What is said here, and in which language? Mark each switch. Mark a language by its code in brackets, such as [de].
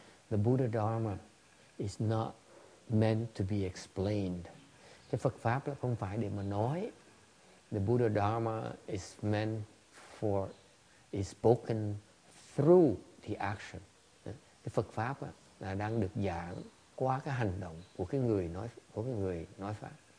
[en] The Buddha Dharma is not meant to be explained. [vi] Cái Phật pháp là không phải để mà nói. [en] The Buddha Dharma is meant for, is spoken through the action. [vi] Cái Phật pháp là đang được giảng qua cái hành động của cái người nói pháp.